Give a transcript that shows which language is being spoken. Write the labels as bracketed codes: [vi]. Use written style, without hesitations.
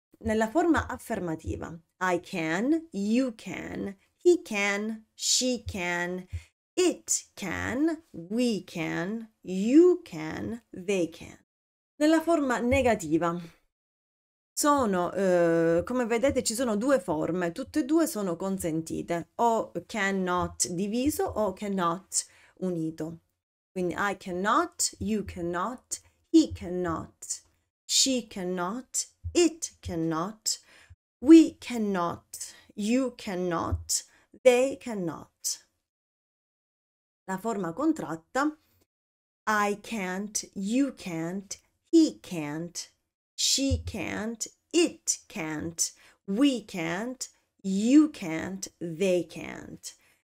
[it] Nella forma affermativa, [en] I can, you can, he can, she can, it can, we can, you can, they can. [it] Nella forma negativa, come vedete, ci sono due forme, tutte e due sono consentite, o cannot diviso o cannot unito. Quindi [en] I cannot, you cannot, he cannot, she cannot, it cannot, we cannot, you cannot, they cannot. [it] La forma contratta, [en] I can't, you can't, he can't, she can't, it can't, we can't, you can't, they can't.